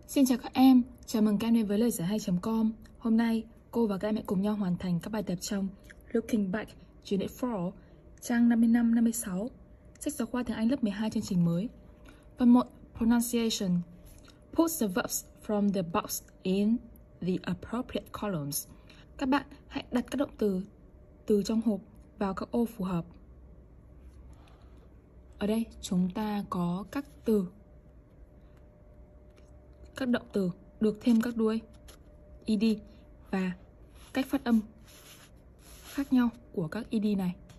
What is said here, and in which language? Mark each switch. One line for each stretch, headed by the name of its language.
Vietnamese: Xin chào các em, chào mừng các em đến với lời giải hay.com. Hôm nay, cô và các em hãy cùng nhau hoàn thành các bài tập trong Looking Back, Unit 4, trang 55-56, sách giáo khoa tiếng Anh lớp 12 chương trình mới. Phần 1. Pronunciation.
English: Put the verbs from the box in the appropriate columns.
Vietnamese: Các bạn hãy đặt các động từ từ trong hộp vào các ô phù hợp. Ở đây, chúng ta có các từ, các động từ được thêm các đuôi ed và cách phát âm khác nhau của các ed này.